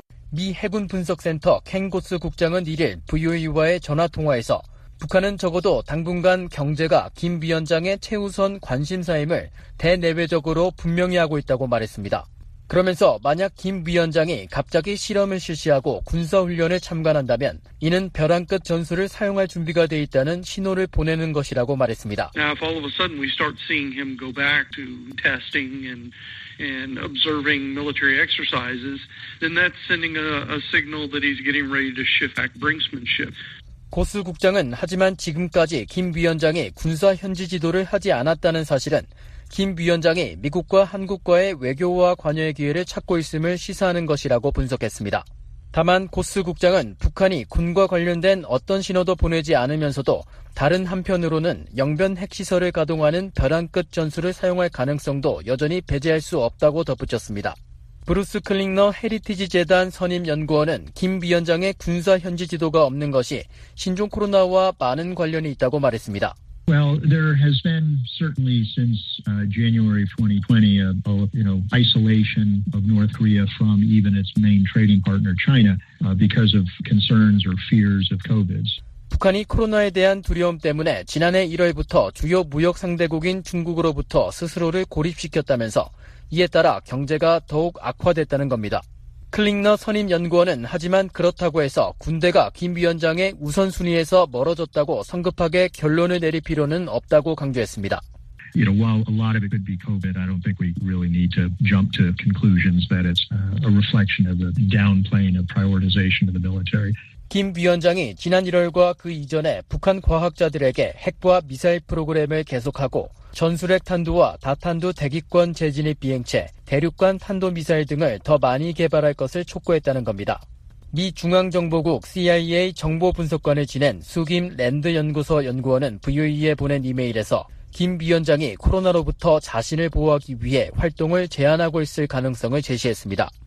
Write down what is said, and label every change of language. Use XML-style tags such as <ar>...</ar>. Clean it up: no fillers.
<ko>미 해군 분석센터 켄고스 국장은 1일 VOA와의 전화통화에서 북한은 적어도 당분간 경제가 김 위원장의 최우선 관심사임을 대내외적으로 분명히 하고 있다고 말했습니다. 그러면서 만약 김 위원장이 갑자기 실험을 실시하고 군사훈련을 참관한다면 이는 벼랑 끝 전술을 사용할 준비가 돼 있다는 신호를 보내는 것이라고 말했습니다.</ko> <en>Now if all of a sudden we start seeing him go back to testing and observing military exercises, then that's sending a signal that he's getting ready to shift back brinksmanship.</en> <ko>고스 국장은 하지만 지금까지 김 위원장이 군사 현지 지도를 하지 않았다는 사실은 김 위원장이 미국과 한국과의 외교와 관여의 기회를 찾고 있음을 시사하는 것이라고 분석했습니다. 다만 고스 국장은 북한이 군과 관련된 어떤 신호도 보내지 않으면서도 다른 한편으로는 영변 핵시설을 가동하는 벼랑 끝 전술을 사용할 가능성도 여전히 배제할 수 없다고 덧붙였습니다. 브루스 클링너 헤리티지 재단 선임 연구원은 김 위원장의 군사 현지 지도가 없는 것이 신종 코로나와 많은 관련이 있다고 말했습니다.</ko> <en>Well, there has been certainly since January 2020 isolation of North Korea from even its main trading partner China because of concerns or fears of COVID.</en> <ko>북한이 코로나에 대한 두려움 때문에 지난해 1월부터 주요 무역 상대국인 중국으로부터 스스로를 고립시켰다면서 이에 따라 경제가 더욱 악화됐다는 겁니다. 클링너 선임 연구원은 하지만 그렇다고 해서 군대가 김 위원장의 우선순위에서 멀어졌다고 성급하게 결론을 내릴 필요는 없다고 강조했습니다.</ko> <en>You know, while a lot of it could be COVID, I don't think we really need to jump to conclusions that it's a reflection of the downplaying of prioritization of the military.</en> <ko>김 위원장이 지난 1월과 그 이전에 북한 과학자들에게 핵과 미사일 프로그램을 계속하고 전술핵 탄두와 다탄두 대기권 재진입 비행체, 대륙간 탄도미사일 등을 더 많이 개발할 것을 촉구했다는 겁니다. 미 중앙정보국 CIA 정보분석관을 지낸 수김 랜드연구소 연구원은 VOE에 보낸 이메일에서 김 위원장이 코로나로부터 자신을 보호하기 위해 활동을 제한하고 있을 가능성을 제시했습니다.</ko>